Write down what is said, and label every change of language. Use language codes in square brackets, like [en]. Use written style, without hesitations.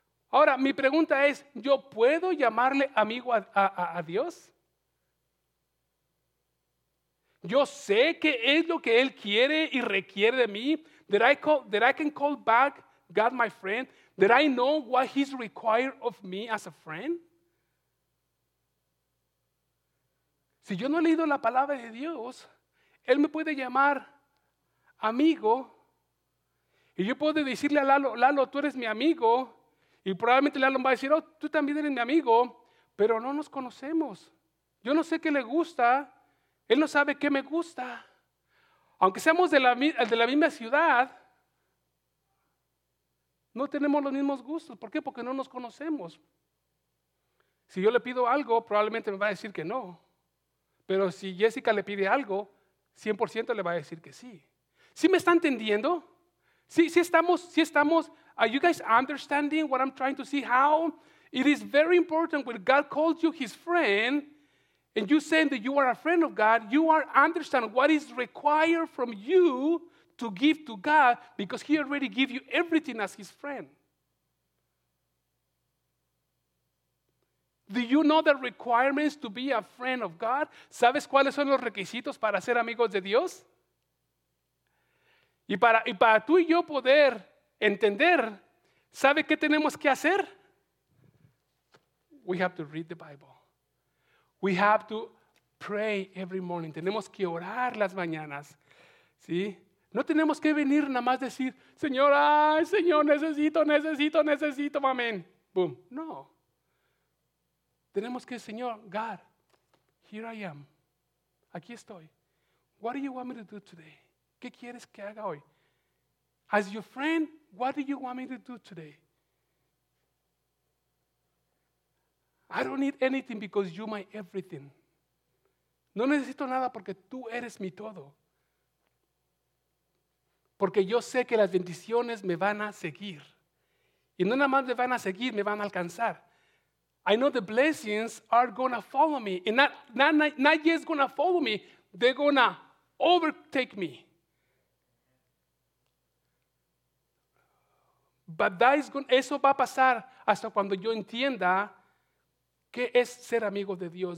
[es] Ahora, mi pregunta es, ¿yo puedo llamarle amigo a Dios? ¿Yo sé qué es lo que Él quiere y requiere de mí? [en] ¿That I can call back God my friend? ¿That I know what He's required of me as a friend? [es] Si yo no he leído la palabra de Dios, Él me puede llamar amigo y yo puedo decirle a Lalo, tú eres mi amigo. Y probablemente Lalo va a decir, oh, tú también eres mi amigo, pero no nos conocemos. Yo no sé qué le gusta, él no sabe qué me gusta. Aunque seamos de la misma ciudad, no tenemos los mismos gustos. ¿Por qué? Porque no nos conocemos. Si yo le pido algo, probablemente me va a decir que no. Pero si Jessica le pide algo, 100% le va a decir que sí. ¿Sí me está entendiendo? Sí estamos... [en] Are you guys understanding what I'm trying to see? How it is very important when God calls you his friend and you say that you are a friend of God, you are understand what is required from you to give to God because he already gave you everything as his friend. Do you know the requirements to be a friend of God? [es] ¿Sabes cuáles son los requisitos para ser amigos de Dios? Y para tú y yo poder entender, ¿sabe qué tenemos que hacer? [en] We have to read the Bible. We have to pray every morning. [es] Tenemos que orar las mañanas. ¿Sí? No tenemos que venir nada más decir, Señor, ay, Señor, necesito, amén. Boom. No. Tenemos que, Señor, [en] God, here I am. [es] Aquí estoy. [en] What do you want me to do today? [es] ¿Qué quieres que haga hoy? [en] As your friend, what do you want me to do today? I don't need anything because you're my everything. [es] No necesito nada porque tú eres mi todo. Porque yo sé que las bendiciones me van a seguir. Y no nada más me van a seguir, me van a alcanzar. [en] I know the blessings are going to follow me. And not just going to follow me, they're going to overtake me. [es] But eso va a pasar hasta cuando yo entienda qué es ser amigo de Dios.